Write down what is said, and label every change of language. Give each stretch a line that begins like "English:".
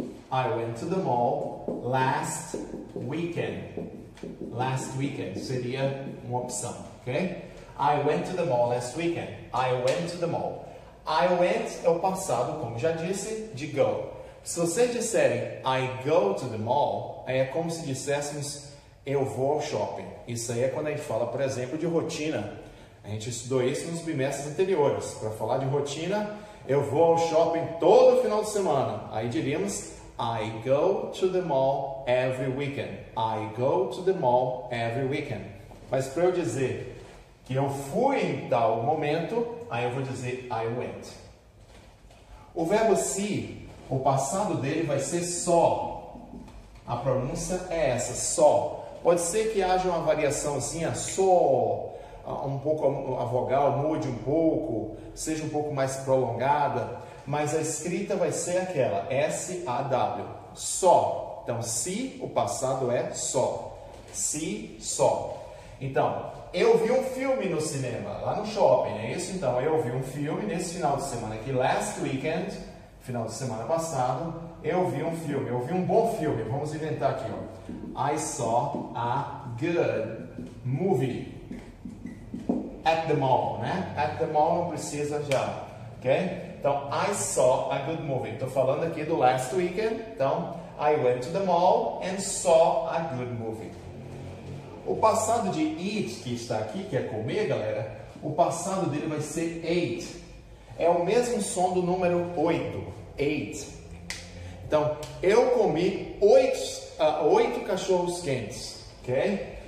English: I went to the mall last weekend.
Portuguese: Last weekend seria uma opção, ok?
English: I went to the mall last weekend. I went to the mall. I went
Portuguese: é o passado, como já disse, de go. Se vocês disserem
English: I go to the mall,
Portuguese: aí é como se dissessemos eu vou ao shopping. Isso aí é quando a gente fala, por exemplo, de rotina. A gente estudou isso nos bimestres anteriores. Para falar de rotina, eu vou ao shopping todo final de semana.
English: Aí diríamos I go to the mall every weekend. I go to the mall every weekend.
Portuguese: Mas para eu dizer que eu fui em tal momento, aí eu vou dizer
English: I went.
Portuguese: O verbo see, o passado dele vai ser saw. A pronúncia é essa, saw. Pode ser que haja uma variaçãozinha, saw, um pouco a vogal mude um pouco, seja um pouco mais prolongada, mas a escrita vai ser aquela, S-A-W, saw. Então, see, o passado é saw. See, saw. Então, eu vi um filme no cinema, lá no shopping, é isso? Então, eu vi um filme nesse final de semana aqui, last weekend, final de semana passado, eu vi um bom filme, vamos inventar aqui, ó.
English: I saw a good movie at the mall, né? At the mall
Portuguese: não precisa já, ok?
English: Então, I saw a good movie,
Portuguese: estou falando aqui do
English: last weekend, então, I went to the mall and saw a good movie.
Portuguese: O passado de eat, que está aqui, que é comer, galera, o passado dele vai ser ate. É o mesmo som do número 8. Ate. Então, eu comi 8 cachorros quentes. Ok?